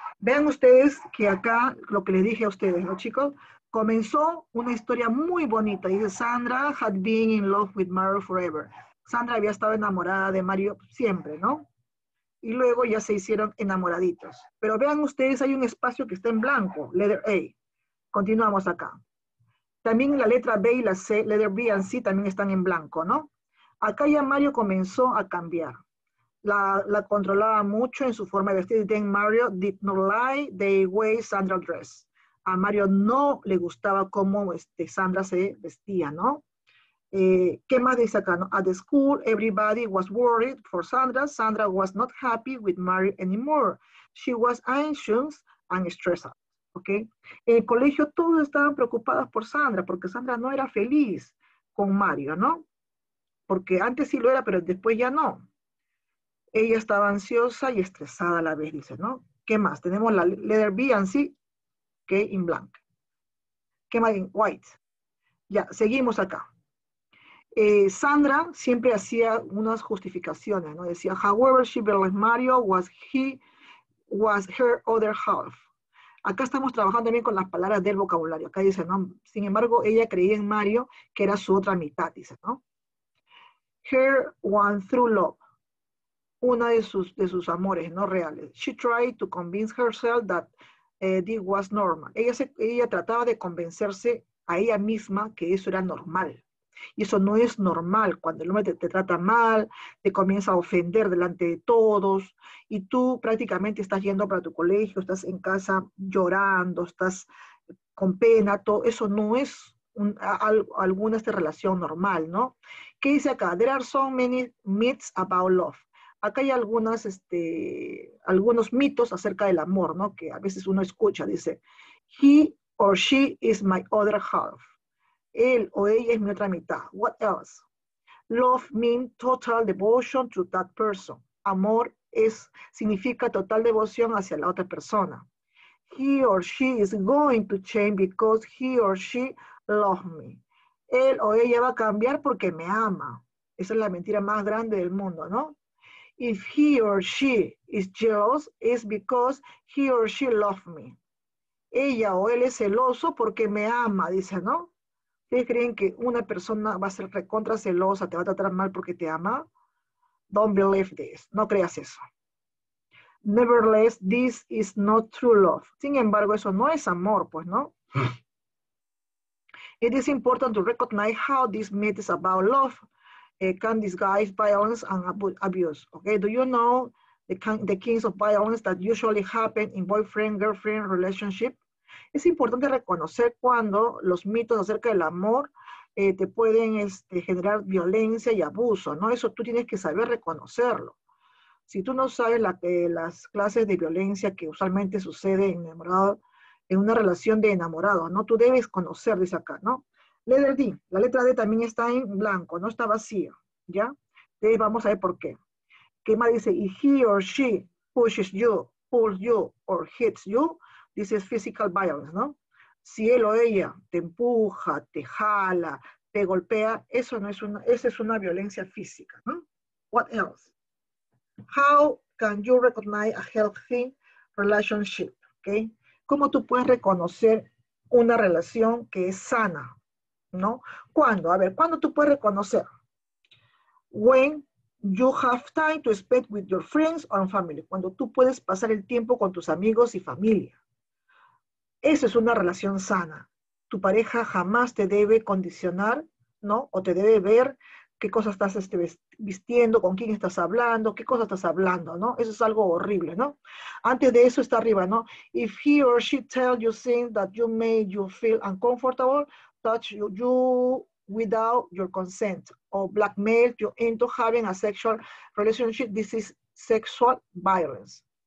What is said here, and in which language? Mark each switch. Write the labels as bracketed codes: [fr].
[es] Vean ustedes que acá, lo que les dije a ustedes, ¿no, chicos? Comenzó una historia muy bonita. [en] Dice, Sandra had been in love with Mario forever. [es] Sandra había estado enamorada de Mario siempre, ¿no? Y luego ya se hicieron enamoraditos. Pero vean ustedes, hay un espacio que está en blanco, [en] letter A. [es] Continuamos acá. También la letra B y la C, letter B y C, también están en blanco, ¿no? Acá ya Mario comenzó a cambiar. La controlaba mucho en su forma de vestir. [en] Then Mario did not like the way Sandra dressed. [es] A Mario no le gustaba cómo Sandra se vestía, ¿no? ¿Qué más dice acá? ¿No? [en] At the school, everybody was worried for Sandra. Sandra was not happy with Mario anymore. She was anxious and stressed out. ¿Okay? [es] En el colegio todos estaban preocupados por Sandra porque Sandra no era feliz con Mario, ¿no? Porque antes sí lo era, pero después ya no. Ella estaba ansiosa y estresada a la vez, dice, ¿no? ¿Qué más? Tenemos la [en] letter B and C, [es] ¿okay? [en] In blank. [es] ¿Qué más? [en] In white. [es] Ya, seguimos acá. Sandra siempre hacía unas justificaciones, ¿no? Decía, [en] however she believed Mario was he was her other half. [es] Acá estamos trabajando también con las palabras del vocabulario. Acá dice, ¿no? Sin embargo, ella creía en Mario que era su otra mitad, dice, ¿no? [en] Her one true love. [es] Una de sus amores no reales. [en] She tried to convince herself that this was normal. [es] Ella trataba de convencerse a ella misma que eso era normal. Y eso no es normal, cuando el hombre te trata mal, te comienza a ofender delante de todos, y tú prácticamente estás yendo para tu colegio, estás en casa llorando, estás con pena, todo eso no es alguna relación normal, ¿no? ¿Qué dice acá? [en] There are so many myths about love. [es] Acá hay algunos mitos acerca del amor, ¿no? Que a veces uno escucha, dice, [en] he or she is my other half. [es] Él o ella es mi otra mitad. [en] What else? Love means total devotion to that person. [es] Amor significa total devoción hacia la otra persona. [en] He or she is going to change because he or she loves me. [es] Él o ella va a cambiar porque me ama. Esa es la mentira más grande del mundo, ¿no? [en] If he or she is jealous, it's because he or she loves me. [es] Ella o él es celoso porque me ama, dice, ¿no? ¿Ustedes creen que una persona va a ser recontra celosa, te va a tratar mal porque te ama? [en] Don't believe this. [es] No creas eso. [en] Nevertheless, this is not true love. [es] Sin embargo, eso no es amor, pues, ¿no? [en] It is important to recognize how these myths about love can disguise violence and abuse. Okay, do you know the kinds of violence that usually happen in boyfriend-girlfriend relationship? [es] Es importante reconocer cuando los mitos acerca del amor te pueden generar violencia y abuso, ¿no? Eso tú tienes que saber reconocerlo. Si tú no sabes las clases de violencia que usualmente sucede en una relación de enamorado, ¿no? Tú debes conocer, dice acá, ¿no? Letter D, la letra D también está en blanco, no está vacía, ¿ya? Entonces vamos a ver por qué. ¿Qué más dice? [en] If he or she pushes you, pulls you, or hits you, this is physical violence, ¿no? [es] Si él o ella te empuja, te jala, te golpea, eso no es una, esa es una violencia física, ¿no? [en] What else? How can you recognize a healthy relationship? Okay? [es] ¿Cómo tú puedes reconocer una relación que es sana? ¿No? ¿Cuándo? A ver, ¿cuándo tú puedes reconocer? [en] When you have time to spend with your friends or family. [es] Cuando tú puedes pasar el tiempo con tus amigos y familia. Esa es una relación sana. Tu pareja jamás te debe condicionar, ¿no? O te debe ver qué cosa estás vistiendo, con quién estás hablando, qué cosa estás hablando, ¿no? Eso es algo horrible, ¿no? Antes de eso está arriba, ¿no? [en] If he or she tells you things that you made you feel uncomfortable, touch you without your consent, or blackmail you into having a sexual relationship, this is sexual violence.